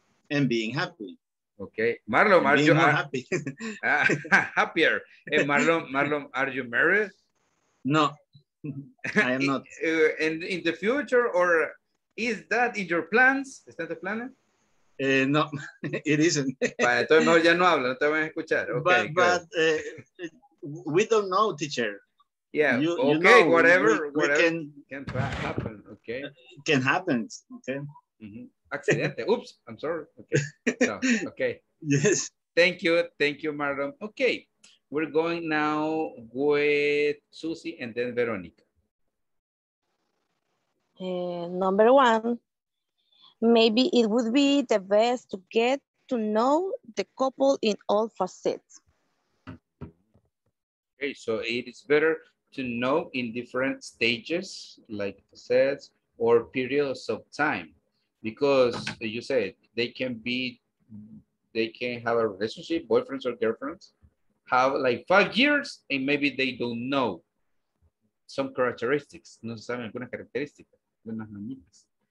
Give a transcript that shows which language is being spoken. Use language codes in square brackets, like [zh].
[en] And being happy. Okay. Marlon, are you happy? happier. Hey, Marlon, are you married? No, I am not. In the future, or is that in your plans? [es] ¿Es en tu plan? [en] No, it isn't. [es] Vale, entonces no, ya no hablo, no te van a escuchar. [en] Okay, but we don't know, teacher. Yeah. Can happen. Okay. Can happen. Okay. Mm-hmm. Accidente. Oops, I'm sorry. Okay. No. Okay. Yes. Thank you, Marlon. Okay. We're going now with Susie and then Veronica. Number one, maybe it would be the best to get to know the couple in all facets. Okay, so it is better to know in different stages, like facets or periods of time. Because you said they can have a relationship, boyfriends or girlfriends, have like 5 years, and maybe they don't know some characteristics. [es] No se saben algunas características de unas niñas.